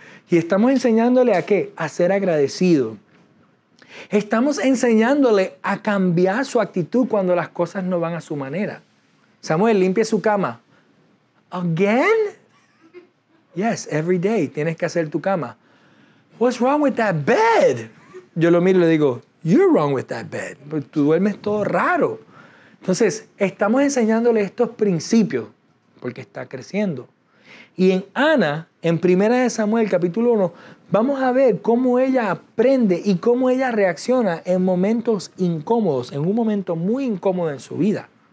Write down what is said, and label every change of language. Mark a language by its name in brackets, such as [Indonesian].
[Spanish] Y estamos enseñándole a qué, a ser agradecido. Estamos enseñándole a cambiar su actitud cuando las cosas no van a su manera. Samuel, limpia su cama. [English] Again? Yes, [Spanish] every day tienes que hacer tu cama. [English] What's wrong with that bed? [Spanish] Yo lo miro y le digo, [English] you're wrong with that bed. [Spanish] Tú duermes todo raro. Entonces, estamos enseñándole estos principios porque está creciendo. Y en Ana, en 1 Samuel capítulo 1, vamos a ver cómo ella aprende y cómo ella reacciona en momentos incómodos, en un momento muy incómodo en su vida.